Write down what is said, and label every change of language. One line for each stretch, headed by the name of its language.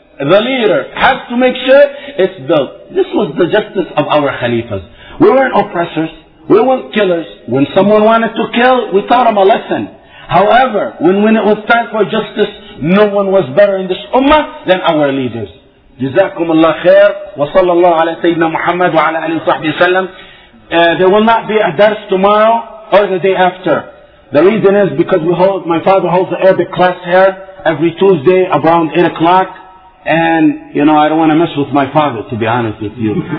English: The leader has to make sure it's built. This was the justice of our Khalifas. We weren't oppressors. We weren't killers. When someone wanted to kill, we taught them a lesson. However, when it was time for justice, no one was better in this ummah than our leaders.
Arabic: جزاكم الله خير وصلى الله على سيدنا محمد وعلى آله وصحبه وسلم.
English: There will not be a dars tomorrow or the day after. The reason is because my father holds the Arabic class here every Tuesday around 8 o'clock. And, you know, I don't want to mess with my father, to be honest with you.